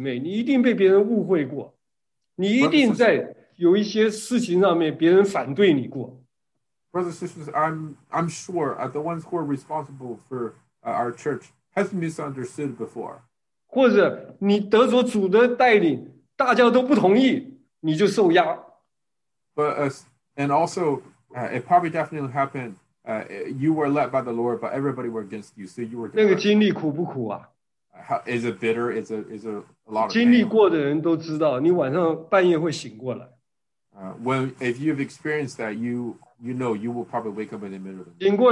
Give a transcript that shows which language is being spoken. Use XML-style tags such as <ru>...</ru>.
<zh>我相信我们聚会中间有负责任的弟兄姊妹，你一定被别人误会过。</zh> <en>Brothers and sisters, I'm sure the ones who are responsible for our church have misunderstood before.</en> <zh>或者你得着主的带领，大家都不同意，你就受压。</zh> <en>But and also, it probably definitely happened. You were led by the Lord, but everybody were against you, so you were.</en> <zh>那个经历苦不苦啊？</zh> <en>Is it bitter? Is it a lot of pain?</en> <zh>经历过的人都知道，你晚上半夜会醒过来。</zh> <en>When if you've experienced that, you know you will probably wake up in the middle of the night.</en>